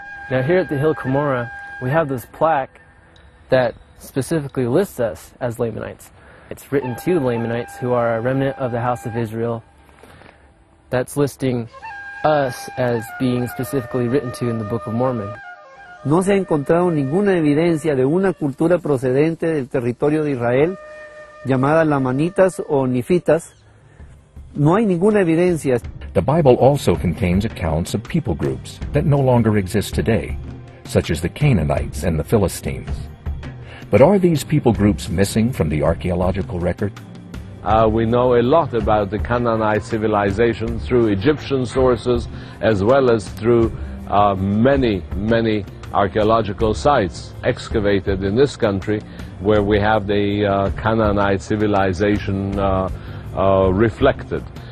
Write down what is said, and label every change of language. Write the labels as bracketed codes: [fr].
[en] Now here at the Hill Cumorah, we have this plaque that specifically lists us as Lamanites. It's written to Lamanites who are a remnant of the House of Israel. That's listing us as being specifically written to in the Book of Mormon. [es] No se ha encontrado ninguna evidencia de una cultura procedente del territorio de Israel llamada Lamanitas o Nifitas. No hay ninguna evidencia. [en] The Bible also contains accounts of people groups that no longer exist today, such as the Canaanites and the Philistines. But are these people groups missing from the archaeological record? We know a lot about the Canaanite civilization through Egyptian sources as well as through many archaeological sites excavated in this country where we have the Canaanite civilization reflected.